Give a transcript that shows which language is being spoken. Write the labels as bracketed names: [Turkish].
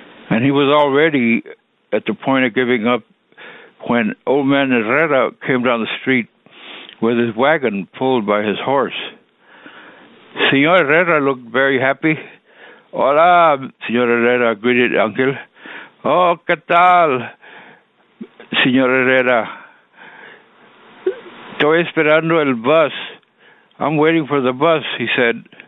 [English] And he was already at the point of giving up when old man Herrera came down the street with his wagon pulled by his horse. "Señor Herrera looked very happy. [Spanish] Hola, [English] Señor Herrera," greeted Angel. [Spanish] "Oh, ¿qué tal, Señor Herrera? Estoy esperando el bus." [English] "I'm waiting for the bus," he said.